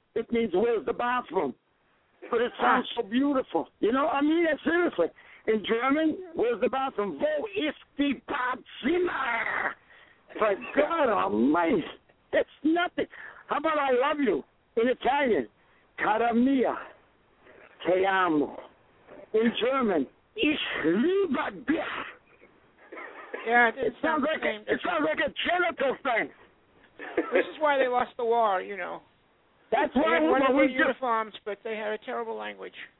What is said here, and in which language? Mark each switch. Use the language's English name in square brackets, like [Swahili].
[English] It means where's the bathroom? But it sounds so beautiful. You know, I mean, seriously. In German, where's the bathroom? [German] Wo ist die Badzimmer? [English] For God almighty, it's nothing. How about I love you in Italian? [Italian] Cara mia, te amo. [English] In German, [German] ich liebe dich. [English] Yeah, it sounds like a genital thing. This is why they lost the war, you know. That's why they had wonderful uniforms, but they had a terrible language.